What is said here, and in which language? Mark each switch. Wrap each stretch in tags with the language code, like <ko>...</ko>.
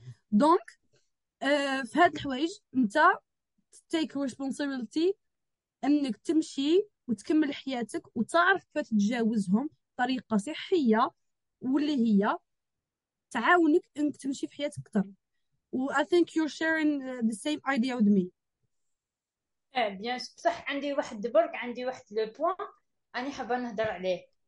<ar>دونك في هاد الحوايج انت</ar> <en>take responsibility</en> <ar>انك تمشي وتكمل حياتك وتعرف كيف تتجاوزهم طريقه صحيه واللي هي تعاونك انك تمشي في حياتك اكثر.</ar> <en>و I think you're sharing the same idea with me.</en> <ar>إيه بيان صح. عندي واحد برك، عندي واحد</ar> <fr>لو بوان</fr> <ar>أنا حابة نهضر عليه.</ar>